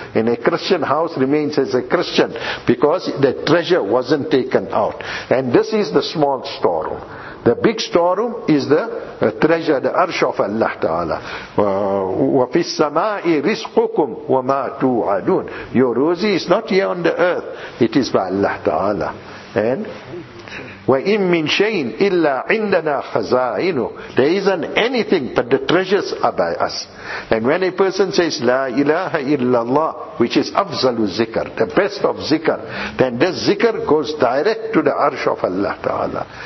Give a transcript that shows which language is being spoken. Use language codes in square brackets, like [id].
[en] In a Christian house remains as a Christian. Because the treasure wasn't taken out. And this is the small storeroom. The big storeroom is the treasure, the arsh of Allah Ta'ala. [ar] وَفِي السَّمَاءِ رِزْقُكُمْ وَمَا تُوْعَدُونَ. [en] Your rosy is not here on the earth. It is by Allah Ta'ala. And [ar] وَإِن مِّن شَيْءٍ إِلَّا عِنْدَنَا خَزَائِنُ. [en] There isn't anything but the treasures are by us. And when a person says La ilaha illallah, which is afzalu zikr, the best of zikr, then this zikr goes direct to the arsh of Allah Ta'ala.